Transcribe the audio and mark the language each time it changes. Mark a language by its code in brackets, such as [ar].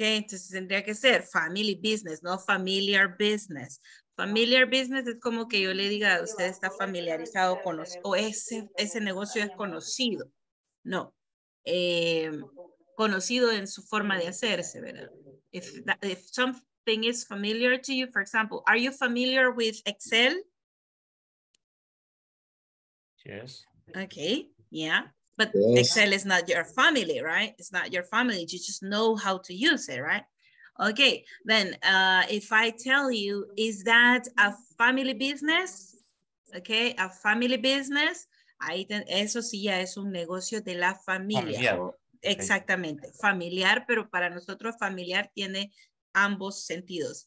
[es] Entonces tendría que ser [en] family business, [es] no [en] familiar business. Familiar business [es] es como que yo le diga, usted está familiarizado con los, o ese negocio es conocido. No, conocido en su forma de hacerse, ¿verdad? [en] If something is familiar to you, for example, are you familiar with Excel? Yes. Okay. Yeah. But yes. Excel is not your family, right? It's not your family. You just know how to use it, right? Okay. Then if I tell you, is that a family business? Okay. A family business. [es] Ahí eso sí ya es un negocio de la familia. Familiar. Exactamente. Okay. Familiar, pero para nosotros familiar tiene ambos sentidos.